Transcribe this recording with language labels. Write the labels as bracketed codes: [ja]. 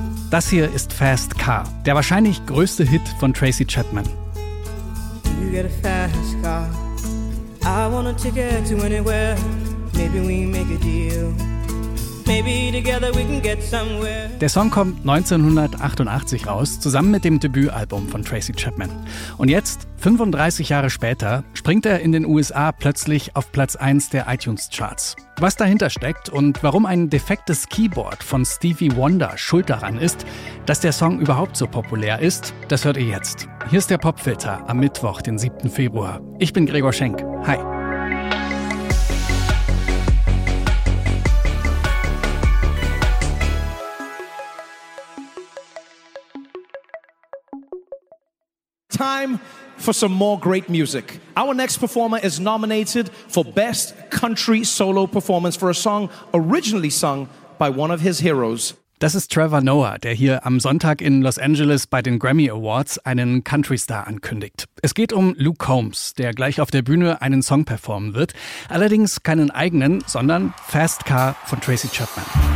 [de] Das hier ist Fast Car, der wahrscheinlich größte Hit von Tracy Chapman. [en] You get a fast car. I want a ticket to anywhere. Maybe we make a deal. Maybe together we can get somewhere. [de] Der Song kommt 1988 raus, zusammen mit dem Debütalbum von Tracy Chapman. Und jetzt, 35 Jahre später, springt er in den USA plötzlich auf Platz 1 der iTunes-Charts. Was dahinter steckt und warum ein defektes Keyboard von Stevie Wonder schuld daran ist, dass der Song überhaupt so populär ist, das hört ihr jetzt. Hier ist der Popfilter am Mittwoch, den 7. Februar. Ich bin Gregor Schenk. Hi. [en] Time for some more great music. Our next performer is nominated for Best Country Solo Performance for a song originally sung by one of his heroes. [de] Das ist Trevor Noah, der hier am Sonntag in Los Angeles bei den Grammy Awards einen Country-Star ankündigt. Es geht um Luke Combs, der gleich auf der Bühne einen Song performen wird. Allerdings keinen eigenen, sondern Fast Car von Tracy Chapman.